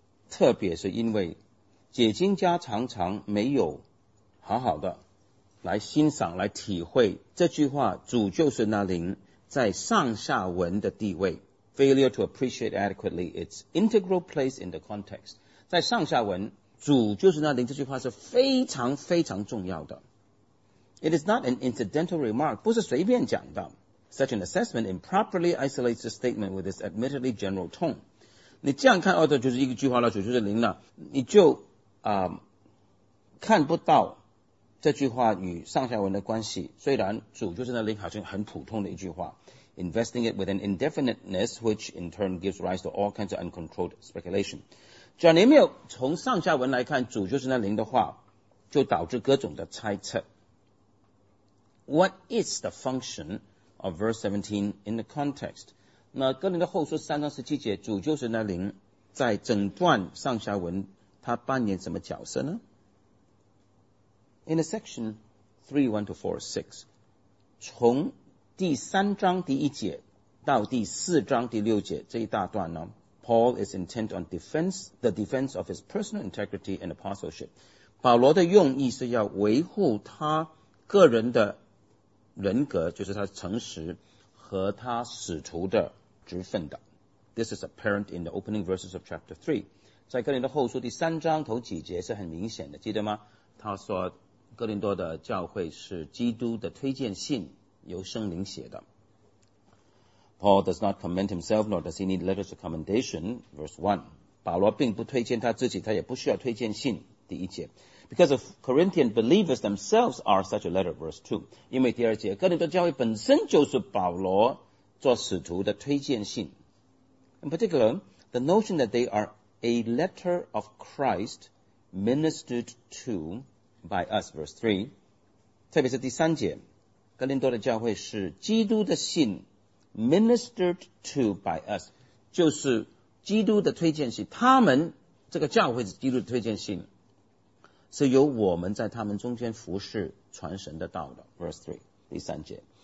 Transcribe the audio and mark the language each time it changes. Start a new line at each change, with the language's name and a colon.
Chinese: 特别是因为解经家常常没有好好的来欣赏来体会这句话主就是那灵在上下文的地位。
English: Failure to appreciate adequately its integral place in the context，
Chinese: 在上下文主就是那灵这句话是非常非常重要的。
English: It is not an incidental remark，
Chinese: 不是随便讲的。
English: Such an assessment improperly isolates the statement with its admittedly general tone。
Chinese: 你这样看，哦，这就是一个句话了，主就是灵了，你就看不到这句话与上下文的关系。虽然主就是那灵好像很普通的一句话，
English: investing it with an indefiniteness which in turn gives rise to all kinds of uncontrolled speculation，
Chinese: 只要你没有从上下文来看主就是那灵的话，就导致各种的猜测。
English: What is the function of verse 17 in the context？
Chinese: 那哥林多后书3章17节，主就是那灵，在整段上下文他扮演什么角色呢？
English: In a section 3:1-4:6，
Chinese: 从第三章第一节到第四章第六节这一大段呢，
English: Paul is intent on the defense of his personal integrity and apostleship。
Chinese: 保罗的用意是要维护他个人的人格，就是他诚实和他使徒的职分的。
English: This is apparent in the opening verses of chapter 3。
Chinese: 在哥林多后书第三章头几节是很明显的，记得吗？他说哥林多的教会是基督的推荐信，由圣灵写的。
English: Paul does not commend himself nor does he need letters of commendation， verse 1。
Chinese: 保罗并不推荐他自己，他也不需要推荐信，第一节。
English: Because of Corinthian believers themselves are such a letter， verse 2。
Chinese: 因为第二节哥林多教会本身就是保罗做使徒的推荐信。
English: In particular, the notion that they are a letter of Christ ministered to by us, verse 3,
Chinese: 特别是第三节，哥林多的教会是基督的信
English: ministered to by us，
Chinese: 就是基督的推荐信，他们这个教会是基督的推荐信，是由我们在他们中间服侍传神的道的，
English: verse 3，
Chinese: 第三节。